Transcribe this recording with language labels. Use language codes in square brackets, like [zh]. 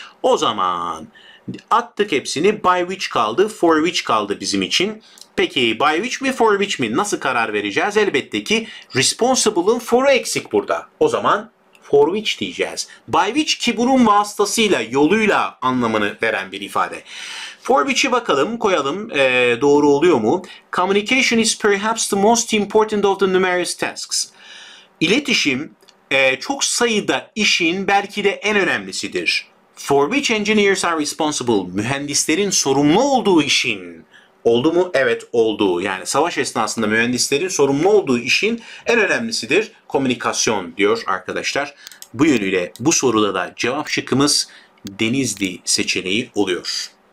[tr] O zaman attık hepsini. By which kaldı, for which kaldı bizim için. Peki by which mi for which mi nasıl karar vereceğiz? Elbette ki responsible'ın for'u eksik burada. O zaman for which diyeceğiz. By which ki bunun vasıtasıyla, yoluyla anlamını veren bir ifade. For which'i bakalım, koyalım. Doğru oluyor mu? [en] Communication is perhaps the most important of the numerous tasks. [tr] İletişim çok sayıda işin belki de en önemlisidir. [en] For which engineers are responsible. [tr] Mühendislerin sorumlu olduğu işin. Oldu mu? Evet, oldu. Yani savaş esnasında mühendislerin sorumlu olduğu işin en önemlisidir komünikasyon diyor arkadaşlar. Bu yönüyle bu soruda da cevap şıkkımız Denizli seçeneği oluyor.